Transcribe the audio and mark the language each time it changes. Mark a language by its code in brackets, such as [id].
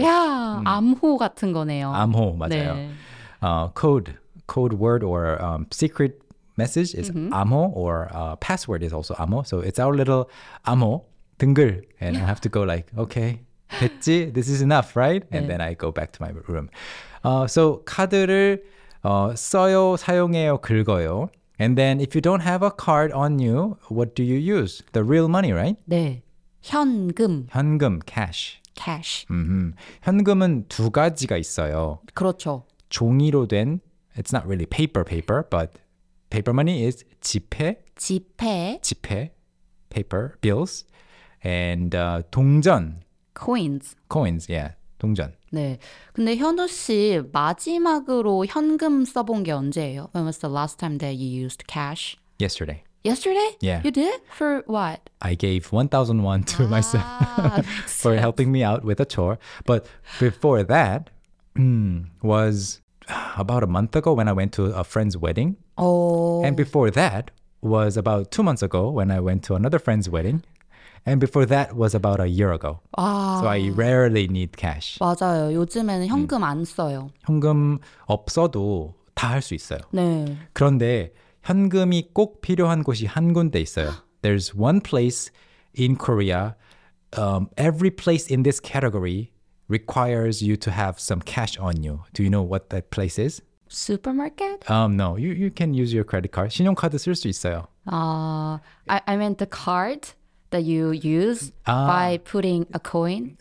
[ko] Yeah, 암호 같은 거네요. 암호, 맞아요. 네. [en] Code word or secret message is 암호 or password is also 암호. So it's our little 암호, 등글. And I have to go like, okay, 됐지? This is enough, right? And [ko] 네. [en] then I go back to my room. [ko] So 카드를 써요, 사용해요, 긁어요. [en] And then if you don't have a card on you, what do you use? The real money, right? [ko] 네, 현금. 현금, cash. [en] Cash. [ko] 현금은 두 가지가 있어요. 그렇죠. 종이로 된, [en] it's not really paper, but... Paper money is 지폐. [ko] 지폐. [en] 지폐. Paper, bills. And 동전. Coins. Coins, yeah. 동전. [ko] 네. 근데 현우 씨, 마지막으로 현금 써본 게 언제예요? [en] When was the last time that you used cash? Yesterday. Yesterday? Yeah. You did? For what? I gave 1,000 won to myself for helping me out with a chore. But before that was about a month ago when I went to a friend's wedding. Oh. And before that was about 2 months ago when I went to another friend's wedding. And before that was about a year ago. [ko] 아. [en] So I rarely need cash. [ko] 맞아요. 요즘에는 현금 안 써요. 현금 없어도 다 할 수 있어요. 네. 그런데 현금이 꼭 필요한 곳이 한 군데 있어요. [en] There's one place in Korea, every place in this category requires you to have some cash on you. Do you know what that place is? Supermarket? No. You can use your credit card. [ko] 신용카드 쓸 수 있어요. [en] I meant the card that you use by putting a coin.